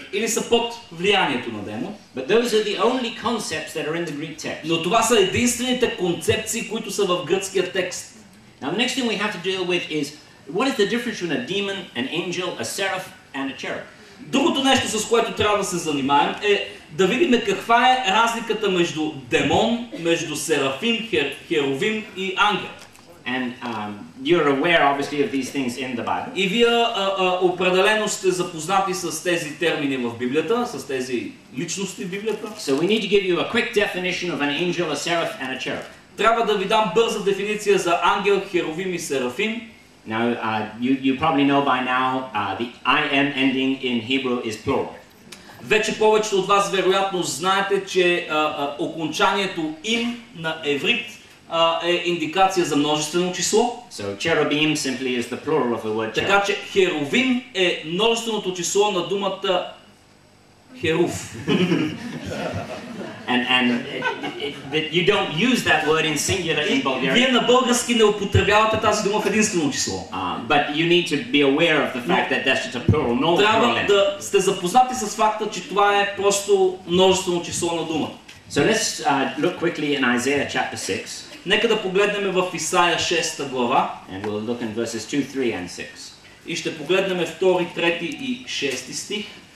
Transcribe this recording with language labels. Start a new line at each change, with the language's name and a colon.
Bulgarian: Или са под влиянието на демон.
English: But those are the only concepts that are in the Greek text.
Bulgarian: Но това са единствените концепции, които са в гръцкия текст.
English: Now the next thing we have to deal with is what is the difference between a demon, an angel, a seraph and a cherub?
Bulgarian: Другото нещо, с което трябва да се занимаем, е да видим каква е разликата между демон, между серафим, херовим и ангел.
English: And you're aware obviously of these things in the Bible.
Bulgarian: И вие определено сте запознати с тези термини в Библията, с тези личности в Библията.
English: So we need to give you a quick definition of an angel, a seraph and a cherub.
Bulgarian: Трябва да ви дам бърза дефиниция за ангел, херовим и серафим.
English: Now you probably know by now the IM ending in Hebrew is plural.
Bulgarian: Вече повечето от вас вероятно знаете, че окончанието им на еврит е индикация за множествено число.
English: So cherubim simply is the plural of the word cherub.
Bulgarian: Така че херовим е множественото число на думата херов.
English: And you don't use that word in singular in Bulgarian.
Bulgarian: Вие на български не употребявате тази дума в единствено число.
English: But you need to be aware of the fact that that's just a plural, not a plural.
Bulgarian: Трябва да сте запознати с факта, че това е просто множествено число на дума.
English: So let's look quickly in Isaiah chapter 6.
Bulgarian: Нека да погледнем в Исаия 6 глава.
English: And we'll look in verses 2, 3 and 6.
Bulgarian: И ще погледнем 2, 3 и 6 стих.